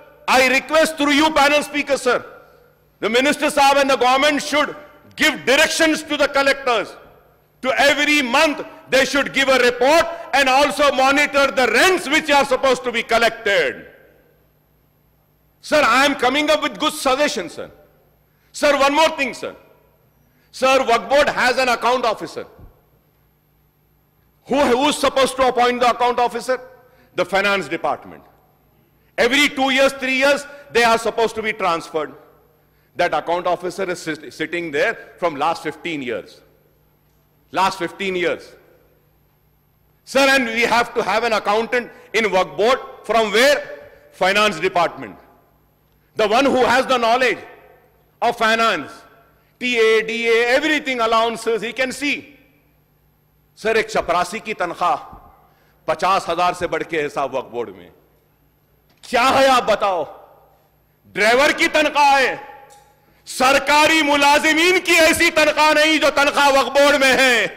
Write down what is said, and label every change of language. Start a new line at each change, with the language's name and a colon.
English: I request through you panel speaker sir, the minister Saheb and the government should give directions to the collectors to every month they should give a report and also monitor the rents which are suppose to be collected. Sir I am coming up with good suggestion sir. Sir one more thing sir, sir work board has an account officer. Who is supposed to appoint the account officer? The finance department. Every 2 years, 3 years, they are supposed to be transferred. That account officer is sitting there from last 15 years. Last 15 years. Sir, and we have to have an accountant in work board from where? Finance department. The one who has the knowledge of finance, TA, DA, everything, allowances, he can see.
Hindi: Sir एक चपरासी की तनख्वाह 50,000 से बढ़ के हिसाब वक्फ board में क्या है आप बताओ? ड्राइवर की तनख्वाह है, सरकारी मुलाजिमीन की ऐसी तनख्वाह नहीं जो तनख्वाह वक्फ बोर्ड में है।